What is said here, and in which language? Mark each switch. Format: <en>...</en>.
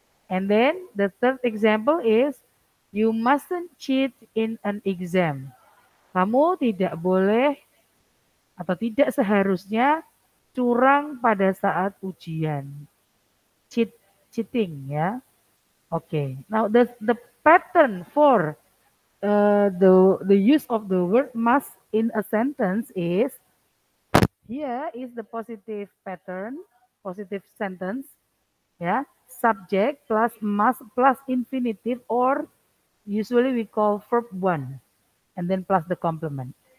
<en>And then the third example is you mustn't cheat in an exam.</en> <id>Kamu tidak boleh atau tidak seharusnya curang pada saat ujian.</id> <en>Cheating ya. Okay. Now the pattern for the use of the word must in a sentence is here is the positive pattern, positive sentence. Ya, subject plus must plus infinitive or usually we call verb 1 and then plus the complement.</en>